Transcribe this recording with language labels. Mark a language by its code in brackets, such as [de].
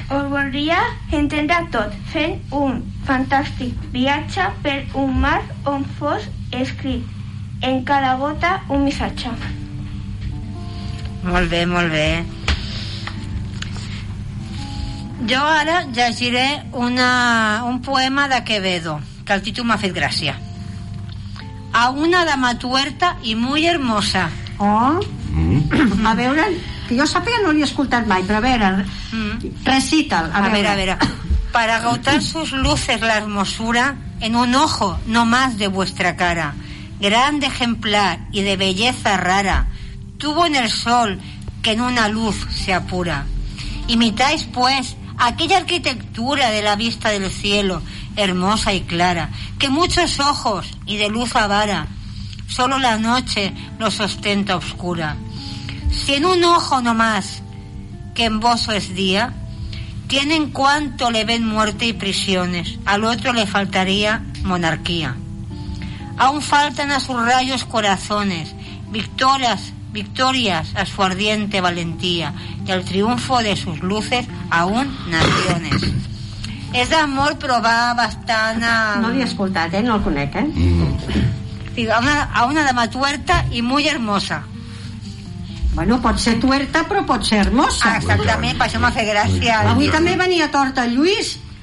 [ca] Voldria entendre tot fent un fantàstic viatge per un mar on fos escrit en cada gota un missatge. Molt bé, molt bé. Jo ara llegiré un poema de Quevedo, que el títol m'ha fet gràcia. [es] A una dama tuerta i muy hermosa. [ca] Oh, a veure, que jo sàpiga no l'he escoltat mai, però a veure, recita'l. A veure. [es] Para agotar sus luces la hermosura en un ojo no más de vuestra cara, grande ejemplar y de belleza rara, tuvo en el sol que en una luz se apura. Imitáis pues aquella arquitectura de la vista del cielo, hermosa y clara, que muchos ojos y de luz avara, solo la noche lo sostenta oscura. Si en un ojo no más que en vos es día, tienen cuanto le ven muerte y prisiones, al otro le faltaría monarquía. Aún faltan a sus rayos corazones, victorias, victorias a su ardiente valentía, y al triunfo de sus luces aún naciones. [ca] És d'amor, però va bastant a... No l'he escoltat, no el conec, [es] Digo, a una dama tuerta y muy hermosa. [ca] Bueno, pot ser tuerta, però pot ser hermosa. Ah, exactament, per això m'ha fet gràcia. Avui també venia torta el Lluís.